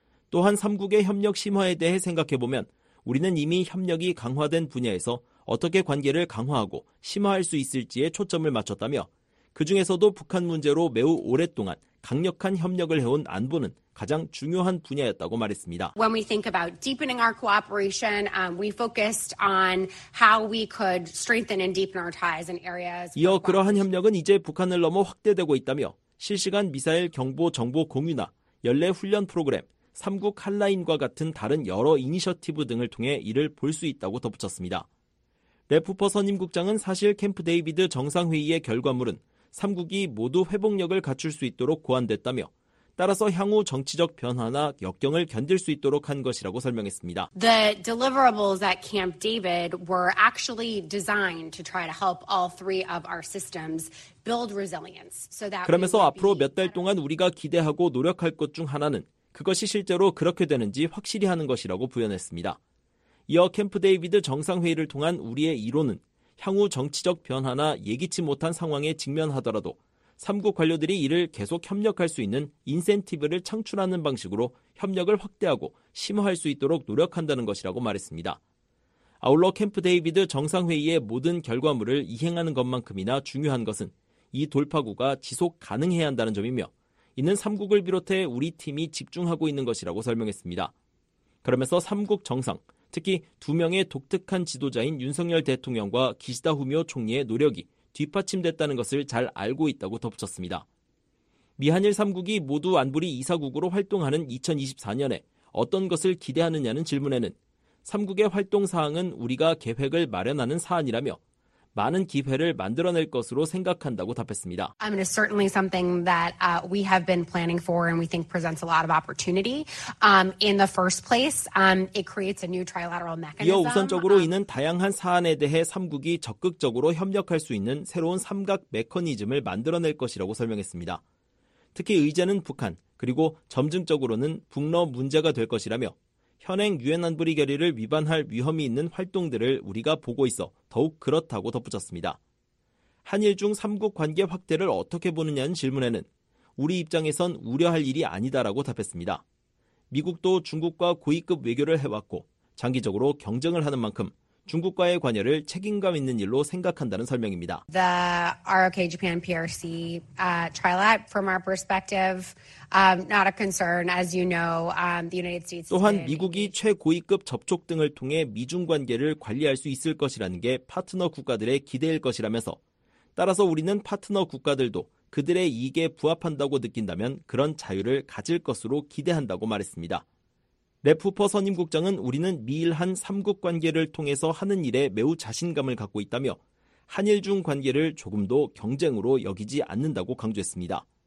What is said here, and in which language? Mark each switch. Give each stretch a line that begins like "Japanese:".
Korean: 또한 3국의 협력 심화에 대해 생각해보면 우리는 이미 협력이 강화된 분야에서 어떻게 관계를 강화하고 심화할 수 있을지에 초점을 맞췄다며 그 중에서도 북한 문제로 매우 오랫동안 강력한 협력을 해온 안보는 가장 중요한 분야였다고 말했습니다.
English: When we think about deepening our cooperation, we focused on how we could strengthen and deepen our ties in areas.
Korean: 이어 그러한 협력은 이제 북한을 넘어 확대되고 있다며 실시간 미사일 경보 정보 공유나 연례 훈련 프로그램, 3국 한라인과 같은 다른 여러 이니셔티브 등을 통해 이를 볼 수 있다고 덧붙였습니다. 레프퍼 선임 국장은 사실 캠프 데이비드 정상회의의 결과물은 3국이 모두 회복력을 갖출 수 있도록 고안됐다며 따라서 향후 정치적 변화나 역경을 견딜 수 있도록 한 것이라고 설명했습니다.
English: The deliverables at Camp David were actually designed to try to help all three of our systems build resilience.
Korean: 그러면서 앞으로 몇 달 동안 우리가 기대하고 노력할 것 중 하나는 그것이 실제로 그렇게 되는지 확실히 하는 것이라고 부연했습니다. 이어 캠프 데이비드 정상회의를 통한 우리의 이론은 향후 정치적 변화나 예기치 못한 상황에 직면하더라도 3국 관료들이 이를 계속 협력할 수 있는 인센티브를 창출하는 방식으로 협력을 확대하고 심화할 수 있도록 노력한다는 것이라고 말했습니다. 아울러 캠프 데이비드 정상회의의 모든 결과물을 이행하는 것만큼이나 중요한 것은 이 돌파구가 지속 가능해야 한다는 점이며 이는 3국을 비롯해 우리 팀이 집중하고 있는 것이라고 설명했습니다. 그러면서 3국 정상, 특히 두 명의 독특한 지도자인 윤석열 대통령과 기시다 후미오 총리의 노력이 뒷받침됐다는 것을 잘 알고 있다고 덧붙였습니다. 미한일 3국이 모두 안보리 2사국으로 활동하는 2024년에 어떤 것을 기대하느냐는 질문에는 3국의 활동 사항은 우리가 계획을 마련하는 사안이라며 많은 기회를 만들어낼 것으로 생각한다고 답했습니다.
English: I mean, it's certainly something that we have been planning for and we think presents a lot of opportunity. In the first place, it creates a new trilateral mechanism.
Korean: 이어 우선적으로 이는 다양한 사안에 대해 3국이 적극적으로 협력할 수 있는 새로운 삼각 메커니즘을 만들어낼 것이라고 설명했습니다. 특히 의제는 북한, 그리고 점증적으로는 북러 문제가 될 것이라며 현행 유엔 안보리 결의를 위반할 위험이 있는 활동들을 우리가 보고 있어 더욱 그렇다고 덧붙였습니다. 한일 중 3국 관계 확대를 어떻게 보느냐는 질문에는 우리 입장에선 우려할 일이 아니다라고 답했습니다. 미국도 중국과 고위급 외교를 해왔고 장기적으로 경쟁을 하는 만큼 중국과의 관여를 책임감 있는 일로 생각한다는 설명입니다.
English: The ROK Japan PRC trilateral from our perspective not a concern as you know the United States
Korean: 또한 미국이 최고위급 접촉 등을 통해 미중 관계를 관리할 수 있을 것이라는 게 파트너 국가들의 기대일 것이라면서 따라서 우리는 파트너 국가들도 그들의 이익에 부합한다고 느낀다면 그런 자유를 가질 것으로 기대한다고 말했습니다. 레프퍼 선임 국장은 우리는 미일한 3국 관계를 통해서 하는 일에 매우 자신감을 갖고 있다며 한일 중 관계를 조금 더 경쟁으로 여기지 않는다고 강조했습니다.